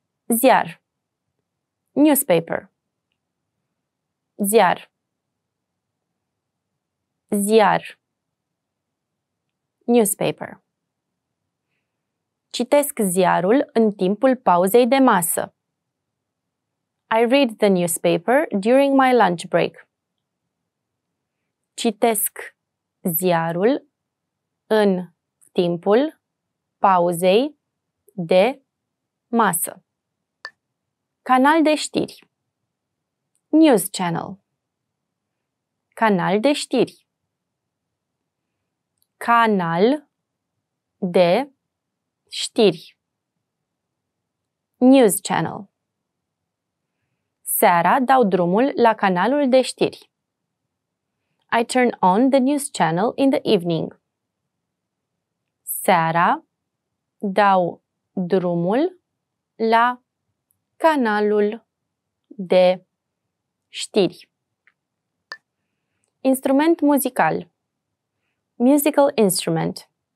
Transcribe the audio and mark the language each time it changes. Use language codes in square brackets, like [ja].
[ro] Ziar. Newspaper. Ziar. Ziar. Newspaper. Citesc ziarul în timpul pauzei de masă. [en] I read the newspaper during my lunch break. [ro] Citesc ziarul în timpul pauzei de masă. Canal de știri. [en] News channel. [ro] Canal de știri. Canal de știri. [en] News channel. [ro] Seara dau drumul la canalul de știri. [en] I turn on the news channel in the evening. [ro] Seara dau drumul la canalul de știri. Instrument muzical. [en] Musical instrument.